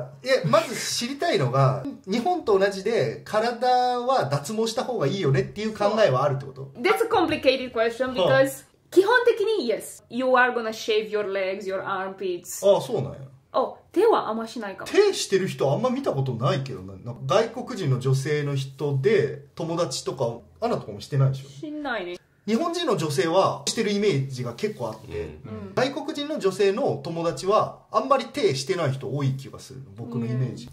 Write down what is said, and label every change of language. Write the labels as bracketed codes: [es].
[ja] いや、まず知りたいのが、日本と同じで体は脱毛した方がいいよねっていう考えはあるってこと? [en] That's a complicated question because [ja] 基本的に [en] yes, you are gonna shave your legs, your armpits. [ja] ああ、そうなんや。お、手はあんましないかも。手してる人あんま見たことないけどな。なんか外国人の女性の人で友達とかアナとかもしてないでしょ。しないね。日本人の女性はしてるイメージが結構あって、うん、外国人の女性の友達はあんまり手してない人多い気がする僕のイメージ、うん、